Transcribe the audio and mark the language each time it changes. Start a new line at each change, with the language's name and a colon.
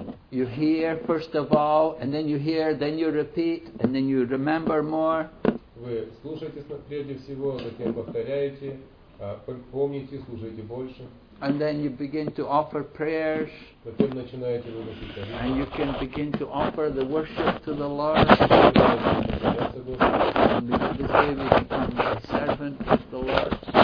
English: You hear first of all, and then you hear, then you repeat, and then you remember more.
Russian: Вы слушаете прежде всего, затем повторяете, помните, слушаете больше.
English: And then you begin to offer prayers.
Russian: Потом начинаете выносить молитвы.
English: And you can begin to offer the worship to the Lord. And this way we become a servant of the Lord.